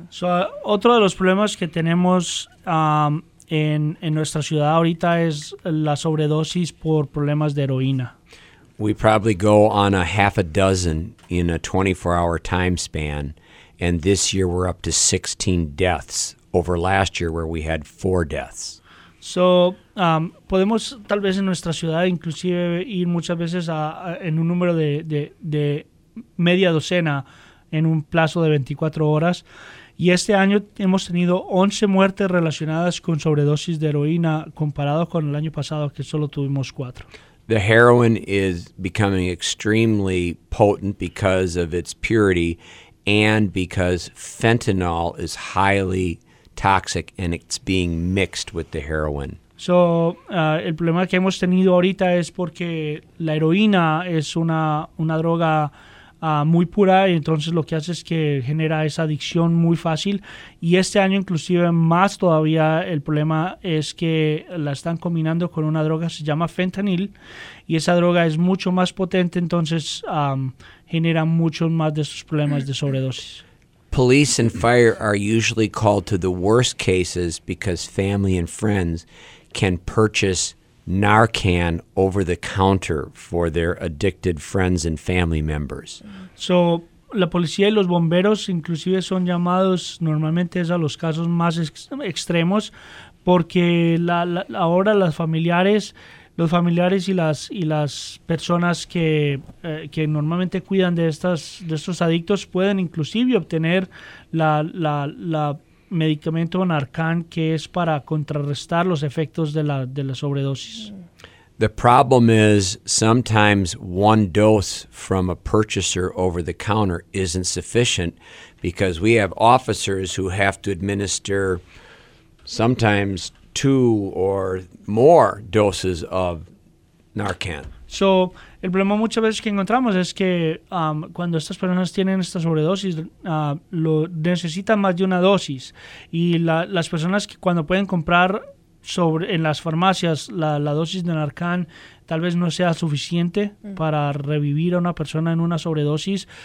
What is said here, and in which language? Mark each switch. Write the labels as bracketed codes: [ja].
[es] So otro de los problemas que tenemos en nuestra ciudad ahorita es la sobredosis por problemas de heroína. [en] We probably go on a half a dozen in a 24-hour time span, and this year we're up to 16 deaths. Over last year, where we had 4 deaths. [es] So, podemos tal vez en nuestra ciudad inclusive ir muchas veces en un número de media docena en un plazo de 24 horas. Y este año hemos tenido 11 muertes relacionadas con sobredosis de heroína comparado con el año pasado que solo tuvimos 4. [en] The heroin is becoming extremely potent because of its purity and because fentanyl is highly toxic and it's being mixed with the heroin. [es] So, el problema que hemos tenido ahorita es porque la heroína es una droga muy pura y entonces lo que hace es que genera esa adicción muy fácil y este año inclusive más todavía el problema es que la están combinando con una droga que se llama fentanil y esa droga es mucho más potente, entonces genera muchos más de esos problemas de sobredosis. [en] Police and fire are usually called to the worst cases because family and friends can purchase Narcan over the counter for their addicted friends and family members. [es] So, la policía y los bomberos inclusive son llamados normalmente a los casos más extremos porque ahora los familiares y las personas que normalmente cuidan de estos adictos pueden inclusive obtener la medicamento Narcan que es para contrarrestar los efectos de la sobredosis. [en] The problem is sometimes one dose from a purchaser over the counter isn't sufficient because we have officers who have to administer sometimes 2 or more doses of Narcan. [es] So, el problema muchas veces que encontramos es que cuando estas personas tienen esta sobredosis, lo necesitan más de una dosis. Y las personas que cuando pueden comprar en las farmacias la dosis de Narcan tal vez no sea suficiente para revivir a una persona en una sobredosis.